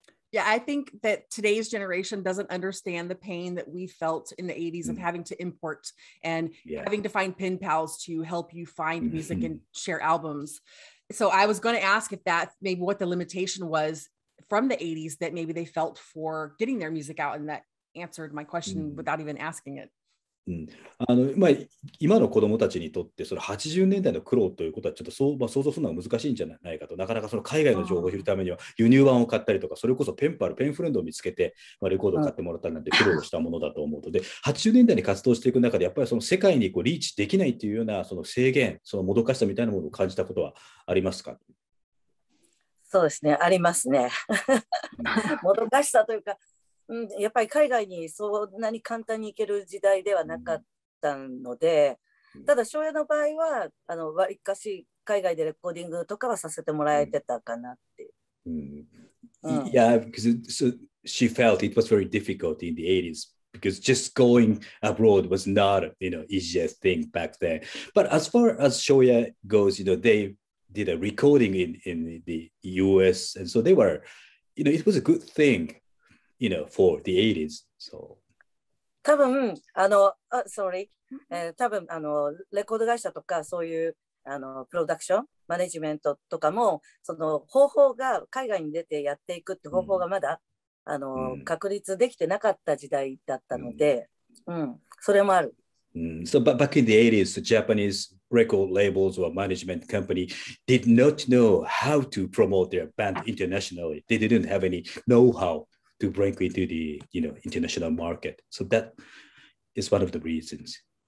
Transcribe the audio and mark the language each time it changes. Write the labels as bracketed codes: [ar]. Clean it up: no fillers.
[en] Yeah, I think that today's generation doesn't understand the pain that we felt in the 80s of having to import and having to find pen pals to help you find music and share albums. So I was going to ask if that maybe what the limitation was from the 80s that maybe they felt for getting their music out, and that answered my question without even asking it. [ja] うん、まあ、今の子どもたちにとってその80年代の苦労ということはちょっとそう、まあ、想像するのが難しいんじゃないかと。なかなかその海外の情報を知るためには輸入版を買ったりとか、それこそペンパルペンフレンドを見つけて、まあ、レコードを買ってもらったなんて苦労したものだと思うので、80年代に活動していく中でやっぱりその世界にこうリーチできないというようなその制限、そのもどかしさみたいなものを感じたことはありますか？そうですね、ありますね。もどかしさというか、やっぱり海外にそんなに簡単に行ける時代ではなかったので、ただ翔也の場合はわりかし海外でレコーディングとかはさせてもらえてたかなって。 [en] Yeah, because she felt it was very difficult in the 80s because just going abroad was not, you know, easiest thing back then. But as far as 翔也 goes, you know, they did a recording in the US, and so they were, you know, it was a good thing. You know, for the 80s, so. [ja] 多分多分レコード会社とかそういうプロダクションマネジメントとかもその方法が海外に出てやっていくって方法がまだ、mm. 確立できてなかった時代だったので、mm. それもある。 [en] So back in the 80s, the Japanese record labels or management company did not know how to promote their band internationally. They didn't have any know-how.To break into the, you know, international market. So that is one of the reasons.